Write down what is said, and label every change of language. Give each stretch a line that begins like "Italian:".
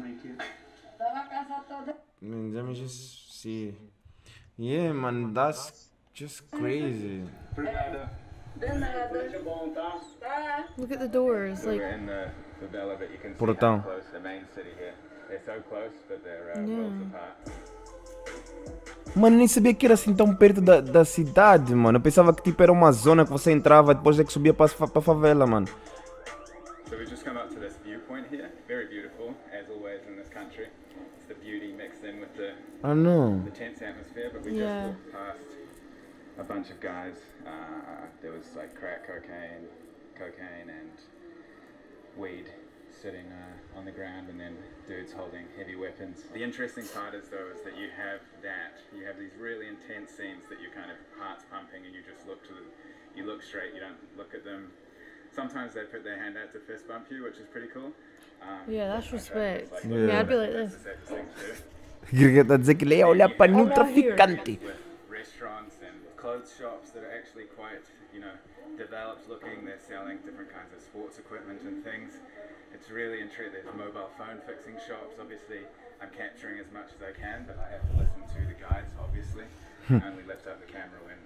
English: making it. Let me just see. Yeah, man, that's Just crazy. Look at the doors, like. We're in the favela, but you can see how close the main city here. They're so close, but they're worlds apart.
Portuguese: Mano, nem sabia que era assim tão perto da cidade, mano. Eu pensava que tipo era uma zona que você entrava e depois é que subia para a favela, mano.
English: So we just come up to this viewpoint here. Very beautiful, as always in this country. It's the beauty mixed in with the, oh, no, the tense atmosphere, but we just walked past a bunch of guys. There was like crack cocaine and weed sitting on the ground, and then dudes holding heavy weapons. The interesting part is though is that you have these really intense scenes that you're kind of heart's pumping, and you just look to them, you look straight, you don't look at them. Sometimes they put their hand out to fist bump you, which is pretty cool. Yeah, that's respect. Like, yeah, I'd be like this. You're gonna say
Portuguese: que olha para o traficante.
English: Restaurants and clothes shops that are actually quite, you know, developed looking. They're selling different kinds of sports equipment and things. It's really intriguing. There's mobile phone fixing shops. Obviously, I'm capturing as much as I can, but I have to listen to the guides, obviously. I only lift up the camera when...